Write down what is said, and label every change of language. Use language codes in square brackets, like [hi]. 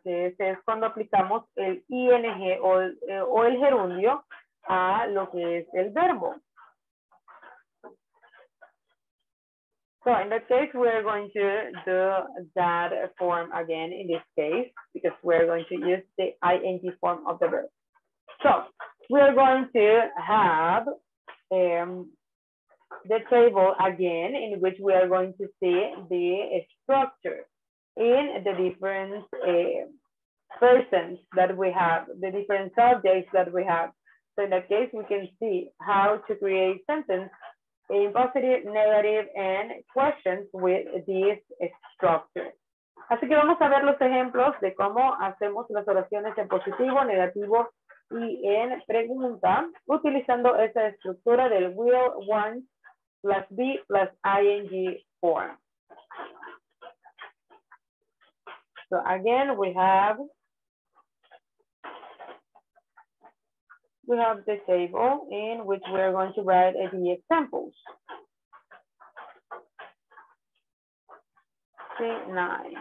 [es] Que este es cuando aplicamos el ing o el gerundio a lo que es el verbo. [en] So, in that case, we are going to do that form again in this case, because we are going to use the ing form of the verb. So, we are going to have the table again in which we are going to see the structure in the different persons that we have, the different subjects that we have. So in that case, we can see how to create sentence in positive, negative, and questions with this structure. [es] Así que vamos a ver los ejemplos de cómo hacemos las oraciones en positivo, negativo, y en pregunta, utilizando esa estructura del will, want, plus be, plus ing form. [en] So again, we have the table in which we are going to write the examples. 3, 9.